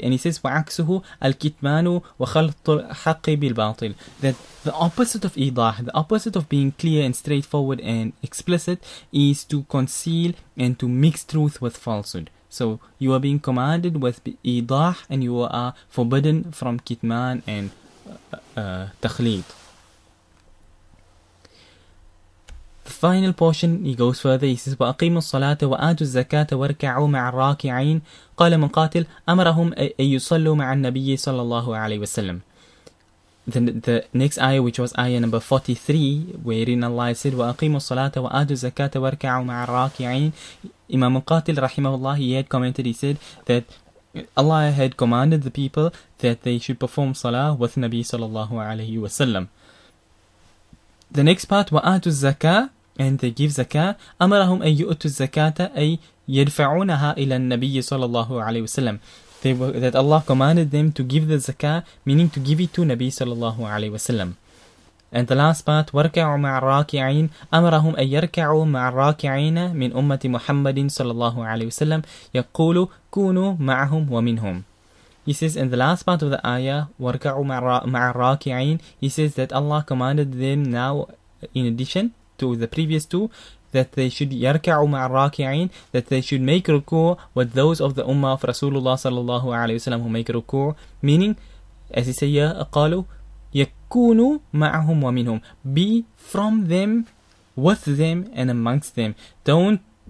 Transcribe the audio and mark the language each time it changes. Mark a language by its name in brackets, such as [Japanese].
[English] And he says, [Arabic] وَعَكْسُهُ الْكِتْمَانُ وَخَلْطُ الْحَقِّ بِالْبَاطِلِ, [English] that the opposite of idah, the opposite of being clear and straightforward and explicit, is to conceal and to mix truth with falsehood. So you are being commanded with idah and you are forbidden from kitman and takhleed. The final portion, he goes further, he says, [Arabic] وَأَقِيمُوا الصَّلَاةَ وَآتُوا الزَّكَاةَ وَارْكَعُوا مَعَ الرَّاكِعِينَ قَالَ مُقَاتِلَ أَمَرَهُمْ أَيُّ صَلُّوا مَعَ النَّبِيِّ صَلَّى اللَّهُ عَلَيْهِ وَسَلَّمَ. [English] the next ayah, which was ayah number 43, wherein Allah said, [Arabic] وَأَقِيمُوا الصَّلَاةَ وَآدُوا الزَّكَاةَ وَارْكَعُوا مَعَ الرَّاكِعِينَ. [English] Imam Muqatil, rahimahullah, he had commented, he said that Allah had commanded the people that they should perform salah with Nabi sallallahu alayhi wa sallam. The next part, [Arabic] وَآدُوا الزَّكَاةَ, [English] and they give zakah, [Arabic] أَمَرَهُمْ أَن يُؤْتُوا الزَّكَاةَ أَي يَدْفَعُونَهَا إِلَى النَّبِيِّ sallallahu alayhi wa sallam. [English] They were, that Allah commanded them to give the zakah, meaning to give it to Nabi sallallahu alayhi wa sallam. [Arabic] And the last part, وَرْكَعُوا مَعَ الرَّاكِعِينَ أَمَرَهُمْ أَن يَرْكَعُوا مَعَ الرَّاكِعِينَ مِنْ أُمَّةِ مُحَمَّدٍ sallallahu alayhi wa sallam يَقُولُ كُونُوا مَعَهُمْ وَمِنْهُمْ. [English] He says in the last part of the ayah, [Arabic] وَرْكَعُوا مَعَ الرَّاكِعِينَ, [English] he says that Allah commanded them now, in addition to the previous two, that they should yarka'u ma'a raki'in, that they should make ruku' with those of the ummah of Rasulullah sallallahu alayhi wa sallam who make ruku', meaning, as he say, aqalu, yakunu ma'ahum wa minhum, be from them, with them, and amongst them. Don't...